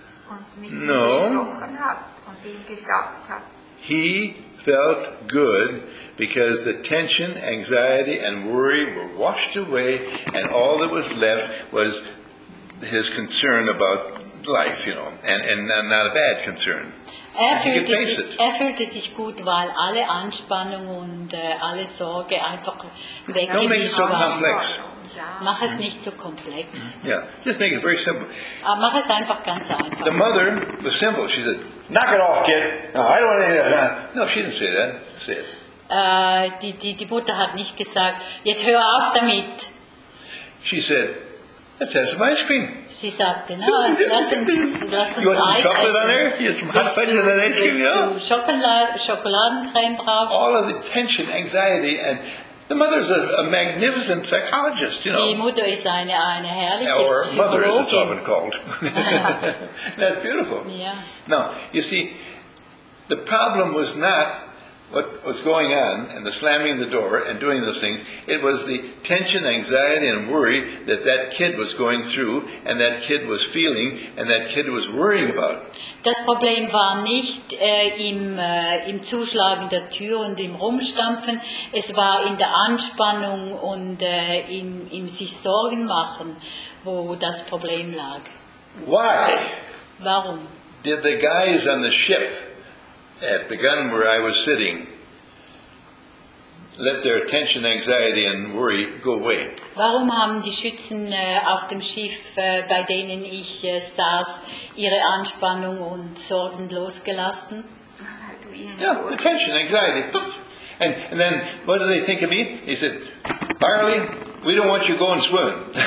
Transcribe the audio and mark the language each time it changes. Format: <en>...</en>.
<de>Und gesprochen hat und ihm gesagt hat.</de> <en>He felt good because the tension, anxiety and worry were washed away and all that was left was his concern about life, you know, and not a bad concern.</en> <de>Er fühlte sich gut, weil alle Anspannung und alle Sorge einfach weggewischt war. Mach es nicht so komplex.</de> <en>Yeah, just make it very simple.</en> <de>Aber mach es einfach ganz einfach.</de> <en>The mother was simple. She said, "Knock it off, kid. No, I don't want to hear that." No, she didn't say that. Say it.</en> <de>Die Mutter hat nicht gesagt, jetzt hör auf damit.</de> <en>She said, let's have some ice cream. She said, no,</en> <de>lass uns</de> <en>you want some ice chocolate</en> <de>essen.</de> <en>On there? You want some hot fudge and ice cream?</en> <de>Yeah. Chocolatencreme drauf.</de> <en>All of the tension, anxiety, and the mother's a magnificent psychologist, you know.</en> <de>Die Mutter ist eine herrliche</de> <en>or</en> <de>Psychologin.</de> <en>Mother, as it's often called. That's beautiful. Yeah. Now, you see, the problem was not what was going on and the slamming the door and doing those things. It was the tension, anxiety and worry that kid was going through and that kid was feeling and that kid was worrying about.</en> <de>Das Problem war nicht im Zuschlagen der Tür und im Rumstampfen. Es war in der Anspannung und im sich Sorgen machen, wo das Problem lag.</de> <en>Why?</en> <de>Warum?</de> <en>Did the guys on the ship at the gun where I was sitting, let their tension, anxiety and worry go away.</en> <de>Warum haben die Schützen auf dem Schiff, bei denen ich saß, ihre Anspannung und Sorgen losgelassen?</de> <en>Yeah, the tension, anxiety. And then, what do they think of me? He said, Barley, we don't want you going swimming.</en>